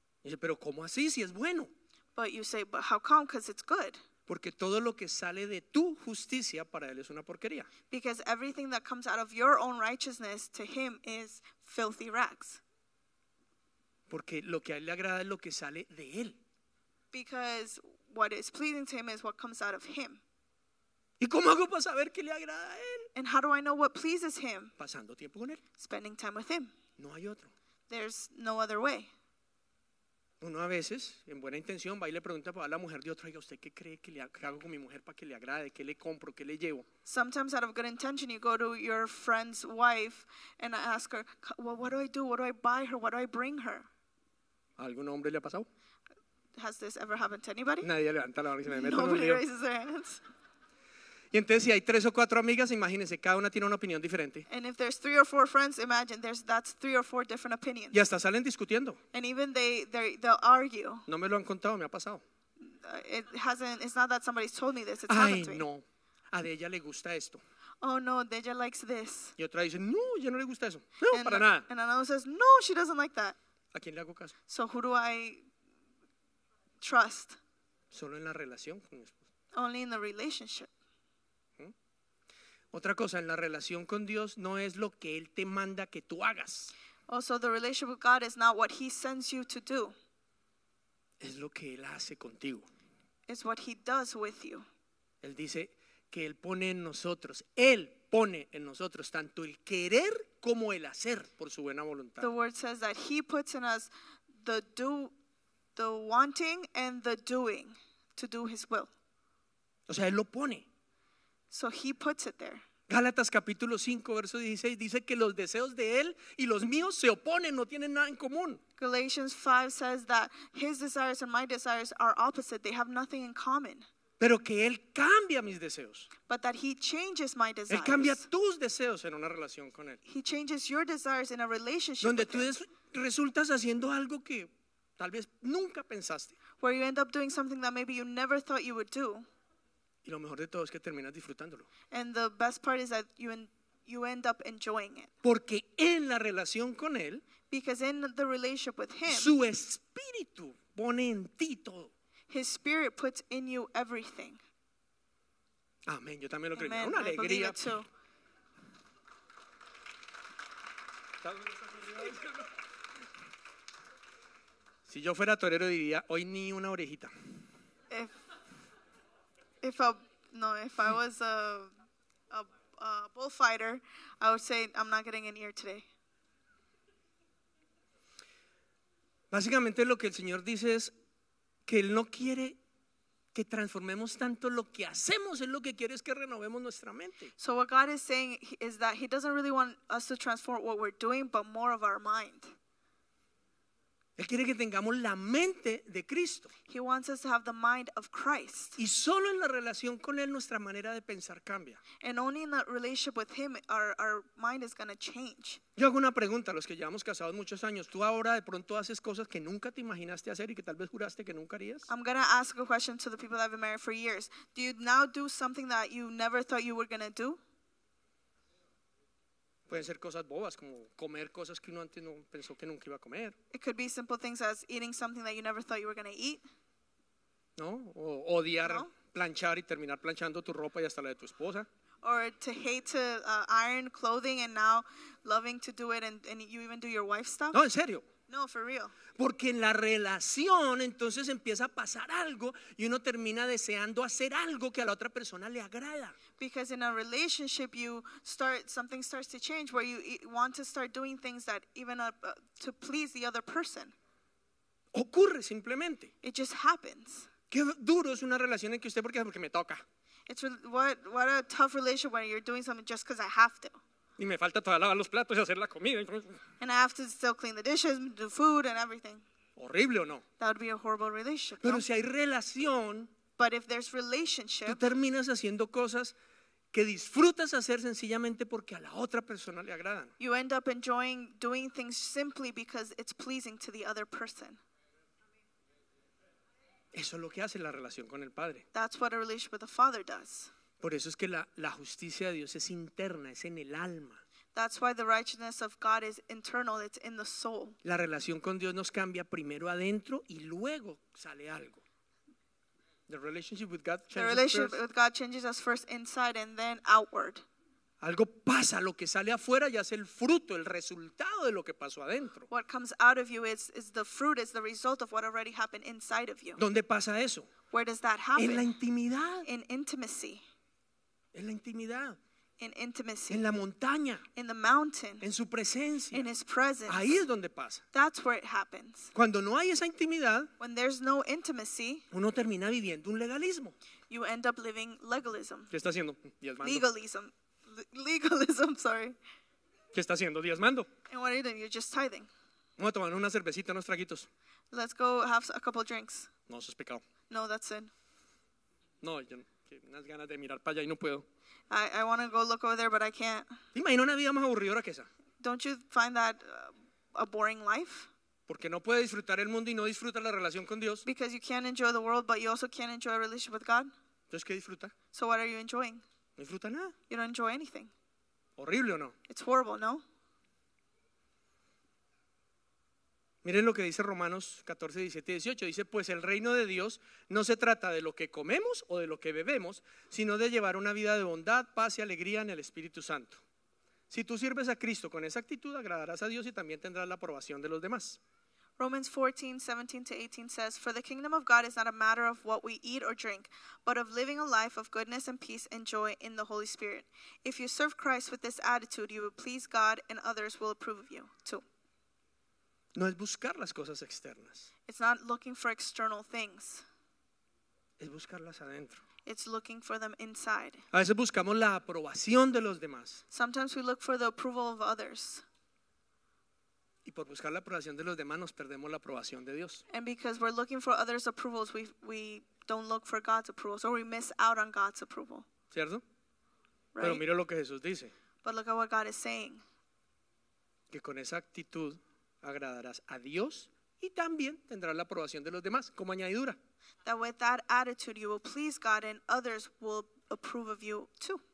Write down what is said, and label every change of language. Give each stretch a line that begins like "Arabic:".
Spanish: Dice, pero ¿cómo así si es bueno?
English: But you say, but how come? Because it's good.
Spanish: Porque todo lo que sale de tu justicia para él es una porquería.
English: Because everything that comes out of your own righteousness to him is filthy rags.
Spanish: Porque lo que a él le agrada es lo que sale de él.
English: Because what is pleasing to him is what comes out of him.
Spanish: ¿Y cómo hago para saber qué le agrada a él?
English: And how do I know what pleases him?
Spanish: Pasando tiempo con él.
English: Spending time with him.
Spanish: No hay otro.
English: There's no other way.
Spanish: Uno a veces, en buena intención, va y le pregunta a la mujer de otro, oiga, ¿usted qué cree que le hago con mi mujer para que le agrade? ¿Qué le compro? ¿Qué le llevo?
English: Sometimes out of good intention, you go to your friend's wife and ask her, well, what do I do? What do I buy her? What do I bring her?
Spanish: ¿A algún hombre le ha pasado?
English: Has this ever happened to anybody?
Spanish: Nadie levanta la mano y se me mete.
English: Nobody raises their hands.
Spanish: Y entonces si hay tres o cuatro amigas, imagínense, cada una tiene una opinión diferente.
English: And if there's three or four friends, imagine that's three or four different opinions.
Spanish: Y hasta salen discutiendo.
English: And even they'll argue.
Spanish: No me lo han contado, me ha pasado.
English: It's not that somebody's told me this, it's happened to me.
Spanish: Ay, no. A de ella le gusta esto.
English: Oh no,
Spanish: de ella
English: likes this.
Spanish: Y otra dice, "No, ella no le gusta eso." No,
English: and
Spanish: para nada.
English: And another says, "No, she doesn't like that."
Spanish: ¿A quién le hago caso?
English: So who do I trust?
Spanish: Solo en la relación con mi esposa.
English: Only in the relationship.
Spanish: Otra cosa, en la relación con Dios no es lo que Él te manda que tú hagas.
English: Also, the relationship with God is not what He sends you to do.
Spanish: Es lo que Él hace contigo.
English: It's what He does with you.
Spanish: Él dice que Él pone en nosotros, Él pone en nosotros tanto el querer como el hacer por su buena voluntad.
English: The word says that He puts in us the wanting and the doing to do His will.
Spanish: O sea, Él lo pone.
English: So he puts it there.
Spanish: Gálatas capítulo 5 verso 16 dice que los deseos de él y los míos se oponen, no tienen nada en común.
English: Galatians 5 says that his desires and my desires are opposite, they have nothing in common.
Spanish: Pero que él cambia mis deseos.
English: But that he changes my desires.
Spanish: Él cambia tus deseos en una relación con él.
English: He changes your desires in a relationship.
Spanish: Donde tú
English: with him.
Spanish: Resultas haciendo algo que tal vez nunca pensaste.
English: Where you end up doing something that maybe you never thought you would do.
Spanish: Y lo mejor de todo es que terminas disfrutándolo.
English: And the best part is that you end up enjoying it.
Spanish: Porque en la relación con él,
English: because in the relationship with him,
Spanish: su espíritu pone en ti todo.
English: His spirit puts in you everything.
Spanish: Amén, yo también lo creo. Una alegría. Si yo fuera torero diría, hoy ni una orejita.
English: If I was a bullfighter, I would say I'm not getting an ear today.
Spanish: Básicamente lo que el Señor dice es que él no quiere que transformemos tanto lo que hacemos, él lo que quiere es que renovemos nuestra mente.
English: So what God is saying is that he doesn't really want us to transform what we're doing, but more of our mind.
Spanish: Él quiere que tengamos la mente de Cristo.
English: He wants us to have the mind of Christ.
Spanish: Y solo en la relación con él nuestra manera de pensar cambia.
English: And only in that relationship with him our mind is going to change.
Spanish: Yo hago una pregunta a los que llevamos casados muchos años. ¿Tú ahora de pronto haces cosas que nunca te imaginaste hacer y que tal vez juraste que nunca harías?
English: I'm going to ask a question to the people that have been married for years. Do you now do something that you never thought you were going to do?
Spanish: Pueden ser cosas bobas como comer cosas que uno antes no pensó que nunca iba a comer.
English: It could be simple things as eating something that you never thought you were going to eat.
Spanish: No, o odiar planchar y terminar planchando tu ropa y hasta la de tu esposa.
English: Or to hate to iron clothing and now loving to do it and you even do your wife's stuff.
Spanish: No, en serio.
English: No, for real.
Spanish: Porque en la relación entonces empieza a pasar algo y uno termina deseando hacer algo que a la otra persona le agrada.
English: Because in a relationship you start, something starts to change where you want to start doing things that even to please the other person.
Spanish: Ocurre simplemente.
English: It just happens.
Spanish: Qué duro es una relación en que usted porque me toca.
English: It's what a tough relationship when you're doing something just because I have to.
Spanish: Y me falta todavía lavar los platos y hacer la comida.
English: And I have to still clean the dishes, do food and everything.
Spanish: Horrible, ¿o no?
English: That would be a horrible relationship.
Spanish: Pero no? Si hay relación,
English: but if there's relationship,
Spanish: tú terminas haciendo cosas que disfrutas hacer sencillamente porque a la otra persona le agradan.
English: You end up enjoying doing things simply because it's pleasing to the other person.
Spanish: Eso es lo que hace la relación con el Padre.
English: That's what a relationship with the Father does.
Spanish: Por eso es que la justicia de Dios es interna, es en el alma.
English: That's why the righteousness of God is internal, it's in the soul.
Spanish: La relación con Dios nos cambia primero adentro y luego sale algo.
English: The relationship with God changes, the relationship with God changes us first inside and then outward.
Spanish: Algo pasa, lo que sale afuera ya es el fruto, el resultado de lo que pasó adentro.
English: What comes out of you is the fruit, is the result of what already happened inside of you.
Spanish: ¿Dónde pasa eso?
English: Where does that happen?
Spanish: En la intimidad.
English: In intimacy.
Spanish: En la intimidad.
English: In intimacy.
Spanish: En la montaña.
English: In the mountain.
Spanish: En su presencia.
English: In his presence.
Spanish: Ahí es donde pasa.
English: That's where it happens.
Spanish: Cuando no hay esa intimidad,
English: when there's no intimacy,
Spanish: uno termina viviendo un legalismo.
English: You end up living legalism.
Spanish: ¿Qué está haciendo?
English: Legalism. Legalism, sorry.
Spanish: ¿Qué está haciendo? Dios mando.
English: And what are you doing? You're just tithing.
Spanish: Vamos a tomar una cervecita, unos traguitos.
English: Let's go have a couple drinks.
Spanish: No, eso es pecado.
English: No, that's sin.
Spanish: No, yo no. Unas ganas de mirar para allá y no puedo.
English: I want to go look over there, but I can't.
Spanish: ¿Te imaginas una vida más aburridora que esa?
English: Don't you find that a boring life?
Spanish: Porque no puedes disfrutar el mundo y no disfrutas la relación con Dios.
English: Because you can't enjoy the world, but you also can't enjoy a relationship with God.
Spanish: ¿Entonces qué disfruta?
English: So what are you enjoying?
Spanish: No disfruta nada.
English: You don't enjoy anything.
Spanish: ¿Horrible o no?
English: It's horrible,
Spanish: ¿no? Miren lo que dice Romanos 14, 17 y 18. Dice, pues el reino de Dios no se trata de lo que comemos o de lo que bebemos, sino de llevar una vida de bondad, paz y alegría en el Espíritu Santo. Si tú sirves a Cristo con esa actitud, agradarás a Dios y también tendrás la aprobación de los demás.
English: Romans 14, 17 to 18 says, for the kingdom of God is not a matter of what we eat or drink, but of living a life of goodness and peace and joy in the Holy Spirit. If you serve Christ with this attitude, you will please God and others will approve of you too.
Spanish: No es buscar las cosas externas.
English: It's not looking for external things.
Spanish: Es buscarlas adentro.
English: It's looking for them inside.
Spanish: A veces buscamos la aprobación de los demás.
English: Sometimes we look for the approval of others.
Spanish: Y por buscar la aprobación de los demás nos perdemos la aprobación de Dios.
English: And because we're looking for others' approvals, we don't look for God's approval, so we miss out on God's approval.
Spanish: ¿Cierto?
English: Right?
Spanish: Pero mira lo que Jesús dice.
English: But look at what God is saying.
Spanish: Que con esa actitud agradarás a Dios y también tendrás la aprobación de los demás como añadidura.
English: That with that attitude you will please God and others will approve of you too.